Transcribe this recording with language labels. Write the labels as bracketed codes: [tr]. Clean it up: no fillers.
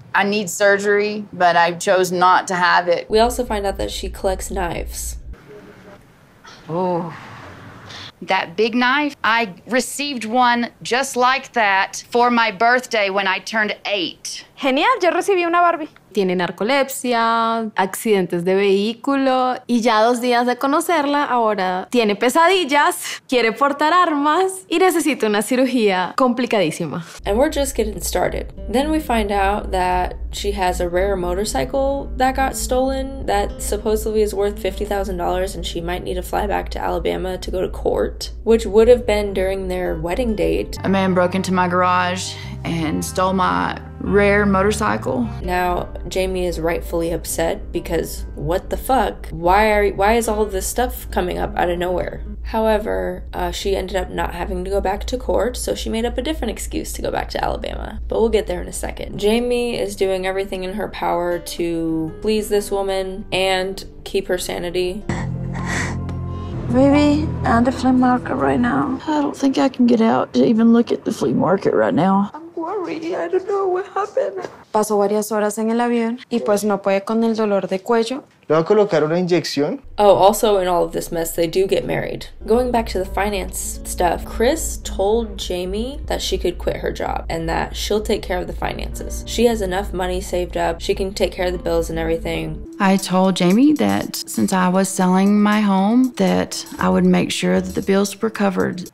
[en] I need surgery, but I chose not to have it. We also find out that she collects knives. Oh, that big knife. I received one just like that for my birthday when I turned 8. [es] Genial, yo recibí una Barbie. Tiene narcolepsia, accidentes de vehículo, y ya 2 días de conocerla, ahora tiene pesadillas, quiere portar armas, y necesita una cirugía complicadísima. [en] And we're just getting started. Then we find out that she has a rare motorcycle that got stolen that supposedly is worth $50,000, and she might need to fly back to Alabama to go to court, which would have been during their wedding date. A man broke into my garage and stole my rare motorcycle. Now, Jamie is rightfully upset because what the fuck? Why is all of this stuff coming up out of nowhere? However, she ended up not having to go back to court, so she made up a different excuse to go back to Alabama. But we'll get there in a second. Jamie is doing everything in her power to please this woman and keep her sanity. Baby, at the flea market right now. I don't think I can get out to even look at the flea market right now. I don't know what happened. [es] Pasó varias horas en el avión y pues no puede con el dolor de cuello. ¿Le va a colocar una inyección? [en] Oh, also in all of this mess, they do get married. Going back to the finance stuff, Chris told Jamie that she could quit her job and that she'll take care of the finances. She has enough money saved up. She can take care of the bills and everything. I told Jamie that since I was selling my home, that I would make sure that the bills were covered.